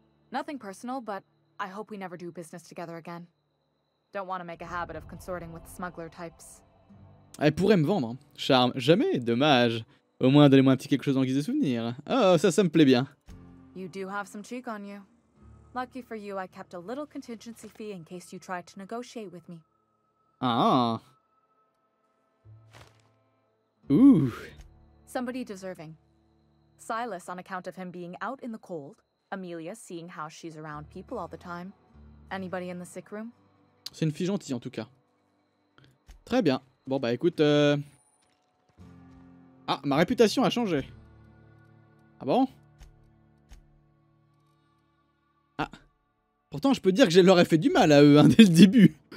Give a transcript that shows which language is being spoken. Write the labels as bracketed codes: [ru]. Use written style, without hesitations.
[en] Nothing personal, but I hope we never do business together again. Don't want to make a habit of consorting with smuggler types. [fr] Elle pourrait me vendre. Charme, jamais, dommage. Au moins, donnez-moi un petit quelque chose en guise de souvenir. Oh, ça me plaît bien. [en] You do have some cheek on you. Lucky for you, I kept a little contingency fee in case you tried to negotiate with me. Ah. Ooh. Somebody deserving. Silas, on account of him being out in the cold. Amelia, seeing how she's around people all the time. Anybody in the sick room? [fr] C'est une fille gentille, en tout cas. Très bien. Bon, bah écoute, Ah, ma réputation a changé. Ah bon? Ah. Pourtant, je peux dire que je leur ai fait du mal à eux, hein, dès le début.